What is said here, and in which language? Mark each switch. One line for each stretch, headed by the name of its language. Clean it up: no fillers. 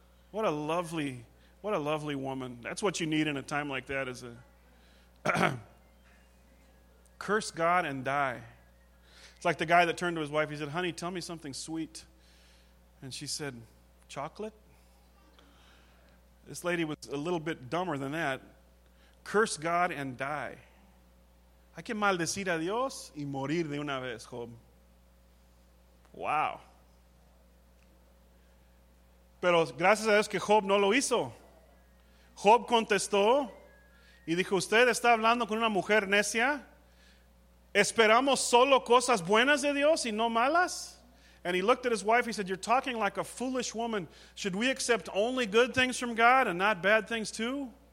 English: What a lovely woman. That's what you need in a time like that, is a curse God and die. It's like the guy that turned to his wife. He said, honey, tell me something sweet. And she said, chocolate? This lady was a little bit dumber than that. Curse God and die.
Spanish: Hay que maldecir a Dios y morir de una vez, Job. Wow. Pero gracias a Dios que Job no lo hizo. Job contestó y dijo, usted está hablando con una mujer necia. ¿Esperamos solo cosas buenas de Dios y no malas?
English: And he looked at his wife, he said, you're talking like a foolish woman. Should we accept only good things from God and not bad things too?